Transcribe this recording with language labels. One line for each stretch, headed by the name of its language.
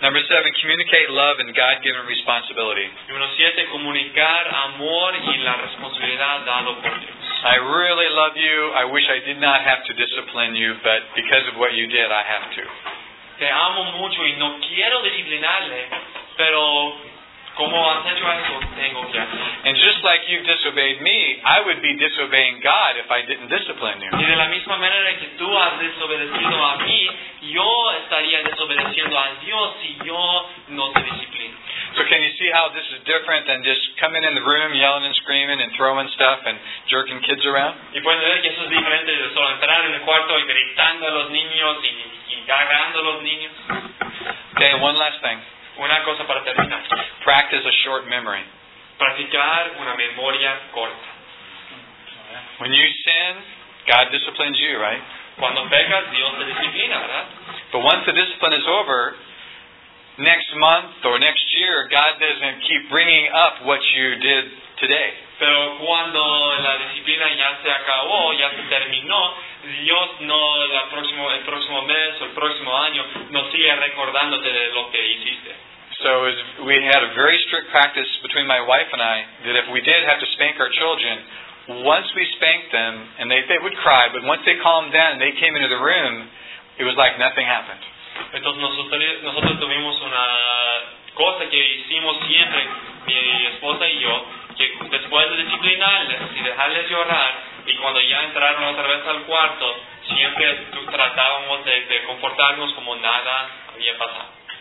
English: Number 7, communicate love and God-given responsibility.
Spanish: Número 7, comunicar amor y la responsabilidad dado por Dios.
English: I really love you. I wish I did not have to discipline you, but because of what you did, I have to.
Spanish: Te amo mucho y no quiero disciplinarle, pero como has hecho eso, tengo que hacerlo.
English: And just like you've disobeyed me, I would be disobeying God if I didn't discipline you.
Spanish: Y de la misma manera que tú has desobedecido a mí, yo estaría desobedeciendo a Dios si yo no te disciplino.
English: So can you see how this is different than just coming in the room, yelling and screaming and throwing stuff and jerking kids around?
Spanish: Y puedes ver que eso es diferente de solo entrar en el cuarto y gritando a los niños y agarrando a los niños.
English: Okay, one last thing.
Spanish: Una cosa para terminar.
English: Practice a short memory.
Spanish: Practicar una memoria corta.
English: When you sin, God disciplines you, right?
Spanish: Cuando pecas, Dios te disciplina, ¿verdad?
English: But once the discipline is over, next month or next year, God doesn't keep bringing up what you did today.
Spanish: Pero cuando la disciplina ya se acabó, ya se terminó, Dios no el próximo mes o el próximo año no sigue recordándote de lo que hiciste.
English: So we had a very strict practice between my wife and I that if we did have to spank our children, once we spanked them, and they would cry, but once they calmed down and they came into the room, it was like nothing happened.
Spanish: Entonces nosotros tuvimos una cosa que hicimos siempre, mi esposa y yo, que después de disciplinarles y dejarles llorar, y cuando ya entraron otra vez al cuarto, siempre tratábamos de comportarnos como nada había pasado.